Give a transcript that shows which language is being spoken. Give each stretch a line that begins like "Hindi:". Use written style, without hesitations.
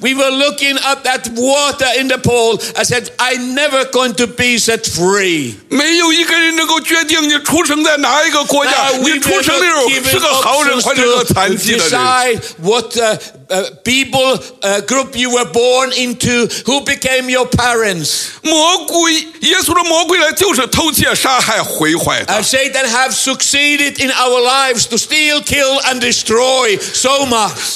English: We were looking at that water in the pool. I said, I'm never going to be set free.
Chinese: 没有一个人能够决定你出生在哪一个国家。
English: Decide what people group you were born into, who became your parents.
Chinese: 魔鬼，耶稣的魔鬼来就是偷窃、杀害、毁坏的。
English: Satan have succeeded in our lives to steal, kill, and destroy so much.